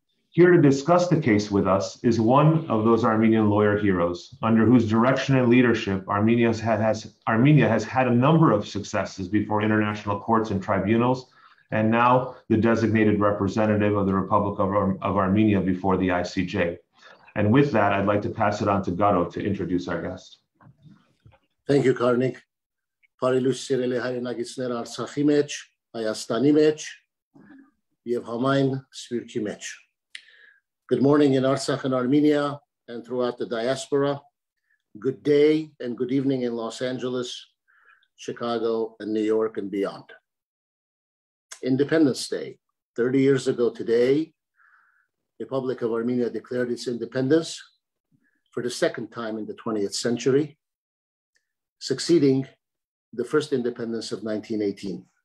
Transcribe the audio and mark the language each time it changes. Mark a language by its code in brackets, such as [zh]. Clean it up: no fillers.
[en] Here to discuss the case with us is one of those Armenian lawyer heroes under whose direction and leadership Armenia has had a number of successes before international courts and tribunals, and now the designated representative of the Republic of Armenia before the ICJ. And with that, I'd like to pass it on to Garo to introduce our guest. Thank you, Karnig. [hy] Բարի լույս սիրելի հայրենակիցներ Արցախի մեջ, Հայաստանի մեջ եւ համայն Սփյուռքի մեջ. [en] Good morning in Artsakh and Armenia and throughout the diaspora. Good day and good evening in Los Angeles, Chicago and New York and beyond. Independence Day. 30 years ago today, the Republic of Armenia declared its independence for the second time in the 20th century, succeeding the first independence of 1918.